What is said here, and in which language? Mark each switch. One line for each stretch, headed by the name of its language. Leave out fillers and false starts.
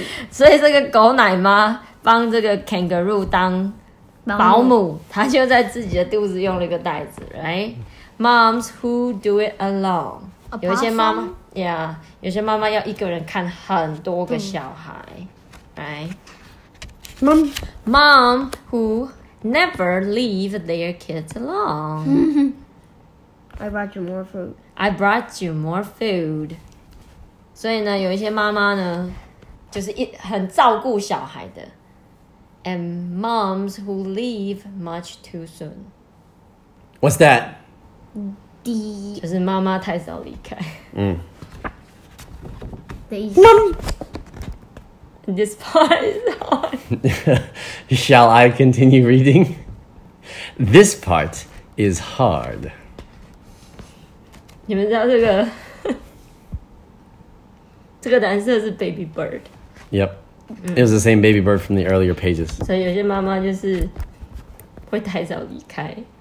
Chinese: 所以这个狗奶妈帮这个 kangaroo 当保姆，她就在自己的肚子用了一个袋子 ，
English: right? Moms who do it alone.
Chinese: 有一些妈妈 ，
English: yeah，
Chinese: 有些妈妈要一个人看很多个小孩。
English: Right. Mom who never leave their kids alone. I brought you more food. I brought you more food.
Chinese: 所以呢，有一些妈妈呢，就是很照顾小孩的。
English: And moms who leave much too soon. What's that?
Chinese: 就是妈妈太早离开。的意思。
English: This part is hard. Shall I continue reading? This part is hard.
Chinese: 你们知道这个这个蓝色是
English: baby bird. Yep. It was the same baby bird from the earlier pages.
Chinese: 所以有些妈妈就是会太早离开。